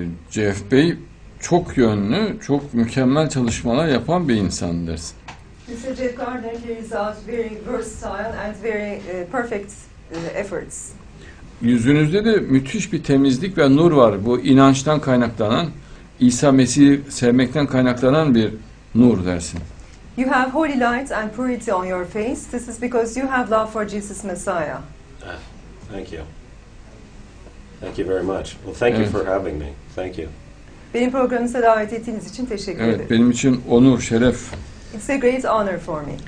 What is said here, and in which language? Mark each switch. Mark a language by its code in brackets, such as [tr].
[tr] Jeff Bey çok yönlü, çok mükemmel çalışmalar yapan bir insandır. [en] Mr. Jeff Gardner carries out very versatile and very perfect efforts. [tr] Yüzünüzde de müthiş bir temizlik ve nur var. Bu inançtan kaynaklanan, İsa Mesih'i sevmekten kaynaklanan bir nur dersin. [en] You have holy light and purity on your face. This is because you have love for Jesus Messiah. Thank you. Thank you very much. Well, thank you for having me. Thank you. [tr] Benim programınıza davet ettiğiniz için teşekkür ederim. Evet, benim için onur, şeref. [en] It's a great honor for me.